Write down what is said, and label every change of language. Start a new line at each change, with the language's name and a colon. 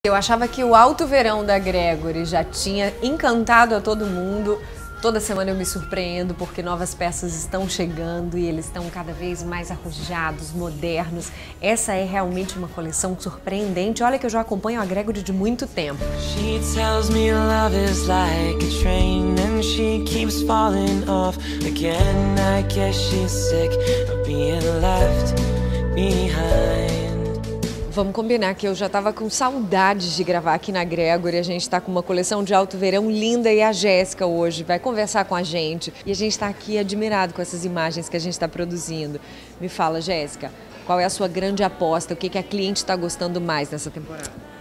Portuguese: Eu achava que o alto verão da Gregory já tinha encantado a todo mundo. Toda semana eu me surpreendo porque novas peças estão chegando e eles estão cada vez mais arrojados, modernos. Essa é realmente uma coleção surpreendente. Olha que eu já acompanho a Gregory de muito tempo.
English: She tells me love is like a train and she keeps falling off again. I guess she's sick of being left behind.
Portuguese: Vamos combinar que eu já estava com saudades de gravar aqui na Gregory. A gente está com uma coleção de alto verão linda e a Jéssica hoje vai conversar com a gente. E a gente está aqui admirado com essas imagens que a gente está produzindo. Me fala, Jéssica, qual é a sua grande aposta? O que, que a cliente está gostando mais nessa temporada?